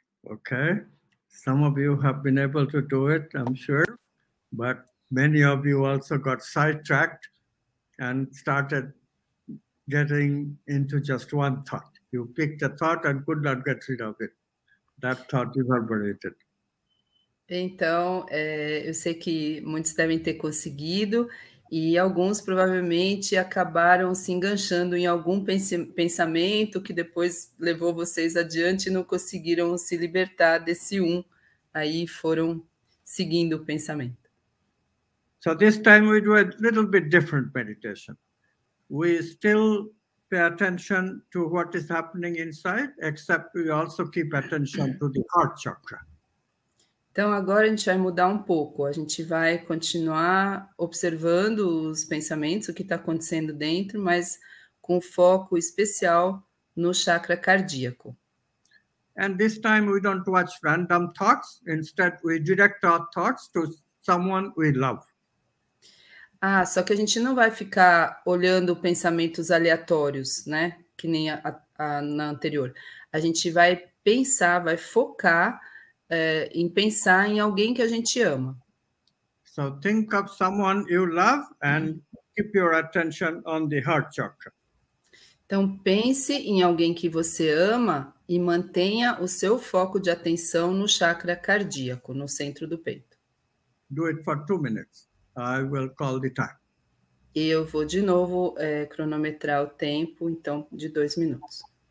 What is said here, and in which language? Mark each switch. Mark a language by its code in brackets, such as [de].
[en] Okay, some of you have been able to do it, I'm sure, but many of you also got sidetracked and started getting into just one thought. You picked a thought and could not get rid of it. That thought reverberated. [pt] Então, eu sei que muitos devem ter conseguido, E alguns provavelmente acabaram se enganchando em algum pensamento que depois levou vocês adiante e não conseguiram se libertar desse um. Aí foram seguindo o pensamento. [en] So this time we do a little bit different meditation. We still pay attention to what is happening inside, except we also keep attention to the heart chakra. [pt] Então agora a gente vai mudar um pouco. A gente vai continuar observando os pensamentos, o que está acontecendo dentro, mas com foco especial no chakra cardíaco. [en] And this time we don't watch random thoughts. Instead, we direct our thoughts to someone we love. [pt] Ah, só que a gente não vai ficar olhando pensamentos aleatórios, né? Que nem na anterior. A gente vai pensar, vai focar em pensar em alguém que a gente ama. [en] So think of someone you love and keep your attention on the heart chakra. [pt] Então pense em alguém que você ama e mantenha o seu foco de atenção no chakra cardíaco, no centro do peito. [en] Do it for 2 minutes. I will call the time. [pt] E eu vou de novo cronometrar o tempo, então, de 2 minutos.